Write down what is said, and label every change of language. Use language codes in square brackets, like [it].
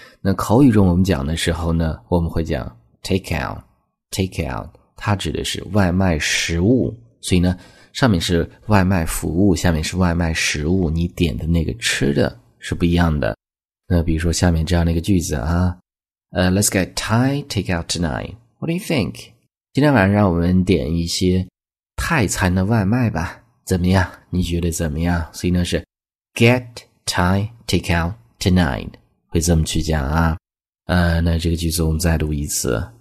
[zh] 那口语中我们讲的时候呢，我们会讲 take out, 它指的是外卖食物。所以呢上面是外卖服务，下面是外卖食物，你点的那个吃的是不一样的。那比如说下面这样的一个句子啊。 [en] Let's get Thai takeout tonight. What do you think? [zh] 今天晚上让我们点一些泰餐的外卖吧。怎么样？你觉得怎么样？所以呢是 [en] get Thai takeout tonight. [zh] 会这么去讲啊。那这个句子我们再读一次。